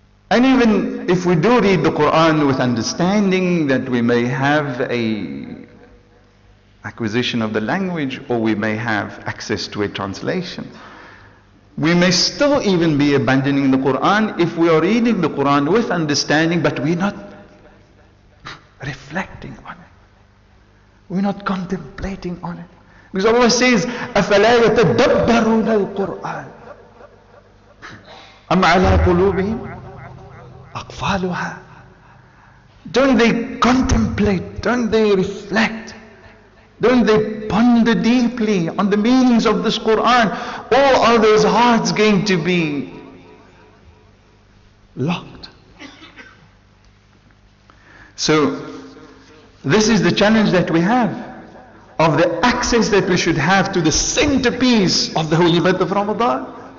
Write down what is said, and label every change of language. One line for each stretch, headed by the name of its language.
English: And even if we do read the Quran with understanding, that we may have a acquisition of the language, or we may have access to a translation, we may still even be abandoning the Quran if we are reading the Quran with understanding, but we're not reflecting on it. We're not contemplating on it. Because Allah says,
Arabic: أَفَلَا يَتَدَبَّرُونَ الْقُرْآنَ أَمْ عَلَىٰ قُلُوبِهِمْ أَقْفَالُهَا.
English: Don't they contemplate? Don't they reflect? Don't they ponder deeply on the meanings of this Quran? Or are those hearts going to be locked? So, this is the challenge that we have, of the access that we should have to the centerpiece of the holy month of Ramadan.